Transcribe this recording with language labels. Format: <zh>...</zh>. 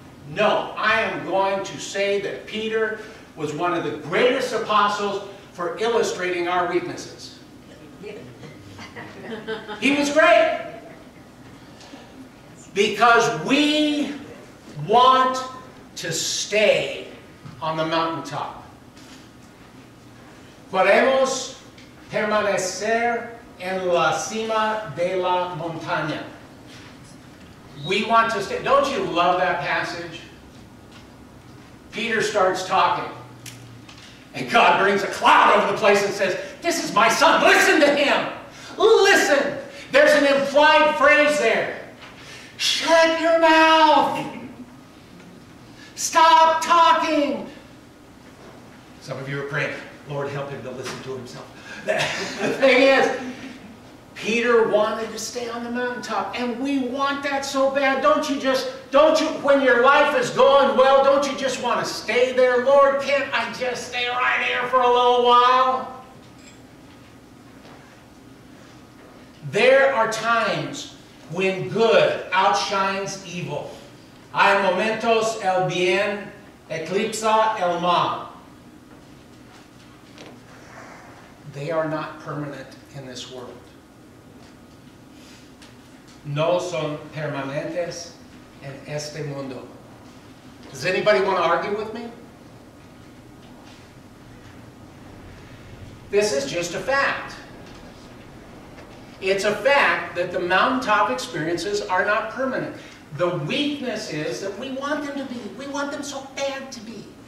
<en>No, I am going to say that Peter was one of the greatest apostles for illustrating our weaknesses. He was great. Because we want to stay on the mountaintop.</en> <es>Queremos permanecer en la cima de la montaña.</es> <en>We want to stay. Don't you love that passage? Peter starts talking. And God brings a cloud over the place and says, this is my son. Listen to him. Listen. There's an implied phrase there. Shut your mouth. Stop talking. Some of you are praying, Lord, help him to listen to himself. The thing is, Peter wanted to stay on the mountaintop, and we want that so bad. When your life is going well, don't you just want to stay there? Lord, can't I just stay right here for a little while? There are times when good outshines evil.</en> <es>Hay momentos el bien eclipsa el mal.</es> <en>They are not permanent in this world.</en> <es>No son permanentes en este mundo.</es> <en>Does anybody want to argue with me? This is just a fact. It's a fact that the mountaintop experiences are not permanent. The weakness is that we want them to be. We want them so bad to be.</en>